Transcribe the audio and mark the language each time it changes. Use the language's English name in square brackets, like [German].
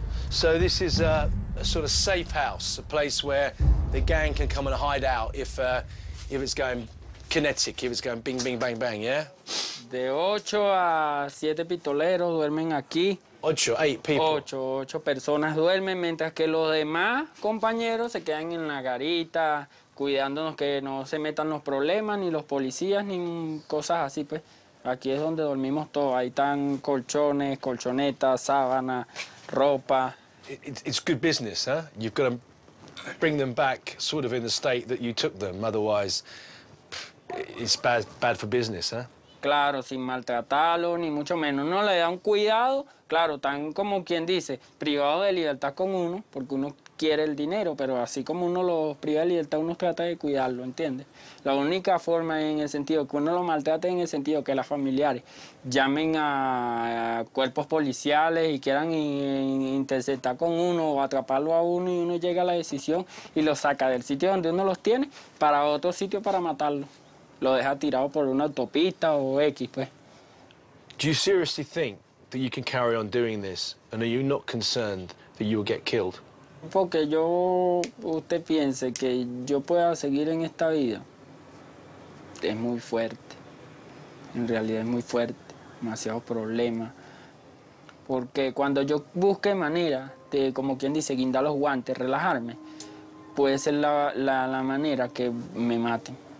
[English] So this is a sort of safe house, a place where the gang can come and hide out if it's going kinetic, if it's going bing, bing, bang, bang, yeah? [Spanish] De 8 a 7 pistoleros duermen aquí. [English] 8, 8 people. [Spanish] 8 personas duermen, mientras que los demás compañeros se quedan en la garita, cuidándonos que no se metan los problemas, ni los policías, ni cosas así, pues. Aquí es donde dormimos todos. Ahí están colchones, colchonetas, sábanas, ropa. [English] It's good business, huh? You've got to bring them back sort of in the state that you took them, otherwise it's bad for business, huh? [Spanish] Claro, sin maltratarlo, ni mucho menos. No le dan cuidado, claro, tan como quien dice, privado de libertad con uno, porque uno quiere el dinero, pero así como uno lo priva de libertad, uno trata de cuidarlo, ¿entiendes? La única forma en el sentido que uno lo maltrate, en el sentido que las familiares llamen a cuerpos policiales y quieran interceptar con uno o atraparlo a uno, y uno llega a la decisión y lo saca del sitio donde uno los tiene para otro sitio para matarlo. Lo deja tirado por una autopista o X, pues. [English] Do you seriously think that you can carry on doing this, and are you not concerned that you will get killed? [Spanish] Porque yo, usted piense que yo pueda seguir en esta vida, es muy fuerte. En realidad es muy fuerte, demasiados problemas. Porque cuando yo busque manera de, como quien dice, guindar los guantes, relajarme, puede ser la manera que me maten.